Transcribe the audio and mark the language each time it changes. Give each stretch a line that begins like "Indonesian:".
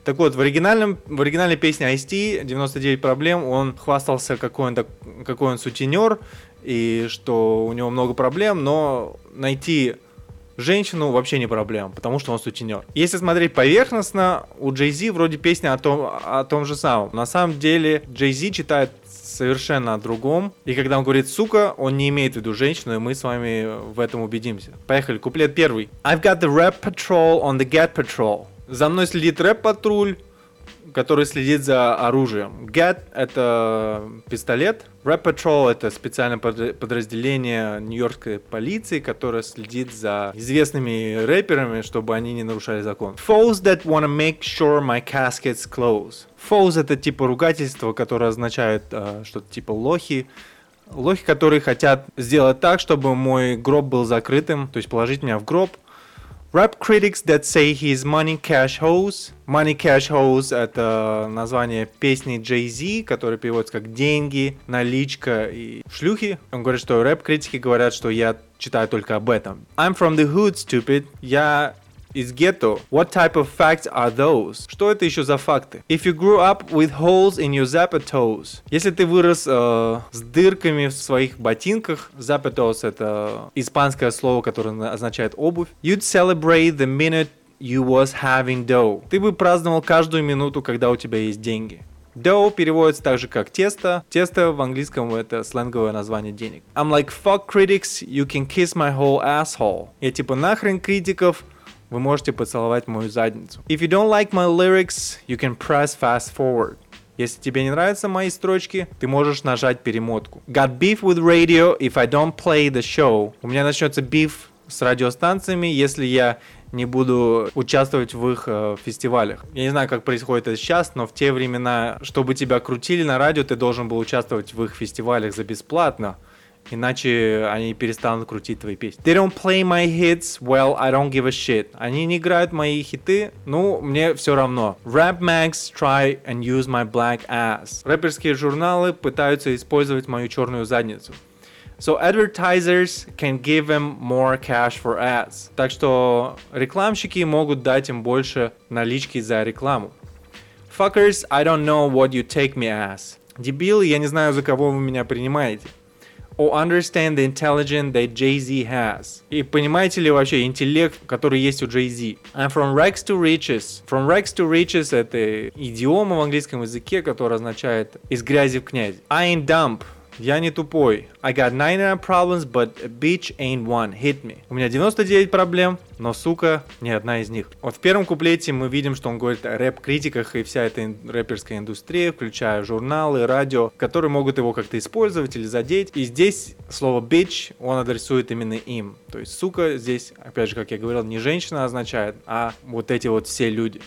Russian: Так вот, в оригинальной песне Ice-T 99 проблем он хвастался, какой он сутенер, и что у него много проблем, но найти женщину вообще не проблема, потому что он сутенер. Если смотреть поверхностно, у Jay-Z вроде песня о том же самом. На самом деле Jay-Z читает совершенно о другом. И когда он говорит «сука», он не имеет в виду женщину, и мы с вами в этом убедимся. Поехали, куплет первый.
English: I've got the rap patrol on the get patrol.
Russian: За мной следит рэп-патруль, который следит за оружием. Get — это пистолет. Rap Patrol — это специальное подразделение нью-йоркской полиции, которое следит за известными рэперами, чтобы они не нарушали закон.
English: Foes that wanna make sure my casket's closed.
Russian: Foes — это типа ругательство, которое означает что-то типа лохи. Лохи, которые хотят сделать так, чтобы мой гроб был закрытым, то есть положить меня в гроб.
English: Rap critics that say he's money cash hoes.
Russian: Money cash hoes — это название песни Jay-Z, которая переводится как деньги, наличка и шлюхи. Он говорит, что рэп-критики говорят, что я читаю только об этом.
English: I'm from the hood, stupid.
Russian: Я из гетто.
English: What type of facts are those?
Russian: Что это еще за факты?
English: If you grew up with holes in your zapatos.
Russian: Если ты вырос с дырками в своих ботинках, zapatos — это испанское слово, которое означает обувь.
English: You'd celebrate the minute you was having dough.
Russian: Ты бы праздновал каждую минуту, когда у тебя есть деньги. Dough переводится также как тесто. Тесто в английском — это сленговое название денег.
English: I'm like, fuck critics, you can kiss my whole asshole.
Russian: Я типа, нахрен критиков, вы можете поцеловать мою задницу.
English: If you don't like my lyrics, you can press fast forward.
Russian: Если тебе не нравятся мои строчки, ты можешь нажать перемотку.
English: Got beef with radio if I don't play the show.
Russian: У меня начнется beef с радиостанциями, если я не буду участвовать в их фестивалях. Я не знаю, как происходит это сейчас, но в те времена, чтобы тебя крутили на радио, ты должен был участвовать в их фестивалях за бесплатно. Иначе они перестанут крутить твои песни.
English: They don't play my hits, well, I don't give a shit.
Russian: Они не играют мои хиты, ну, мне все равно.
English: Rap mags try and use my black ass.
Russian: Рэперские журналы пытаются использовать мою черную задницу.
English: So advertisers can give them more cash for ads.
Russian: Так что рекламщики могут дать им больше налички за рекламу.
English: Fuckers, I don't know what you take me as.
Russian: Дебилы, я не знаю, за кого вы меня принимаете.
English: Or understand the intelligence that Jay-Z has.
Russian: И понимаете ли вообще интеллект, который есть у Jay-Z?
English: I'm from rags to riches. From rags to riches
Russian: — это идиома в английском языке, которая означает «из грязи в князь».
English: I ain't dumb.
Russian: Я не тупой.
English: I got 99 problems, but a bitch ain't one. Hit me.
Russian: У меня 99 проблем, но, сука, ни одна из них. Вот в первом куплете мы видим, что он говорит о рэп-критиках и вся эта рэперская индустрия, включая журналы, радио, которые могут его как-то использовать или задеть. И здесь слово bitch он адресует именно им. То есть, сука, здесь, опять же, как я говорил, не женщина означает, а вот эти вот все люди.